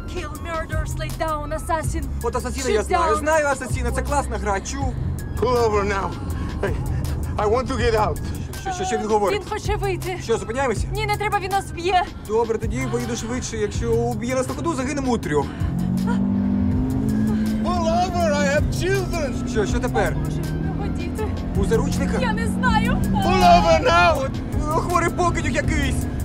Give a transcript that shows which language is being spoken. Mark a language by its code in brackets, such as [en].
[en] Kill, murder, slay down, assassin. [uk] От асасіна я знаю. Down. Знаю асасіна, це класна гра, чув. [en] Pull over now. Hey, I want to get out. [uk] Що він говорить? Він хоче вийти. Що, зупиняємося? Ні, не треба, він нас вб'є. Добре, тоді поїду швидше. Якщо вб'є нас на ходу, загинемо у трьох. [en] Pull over, I have children. [uk] Що тепер? О, Боже, у нього діти. У заручника? Я не знаю. [en] Pull over now. [uk] Хворий покидьок якийсь.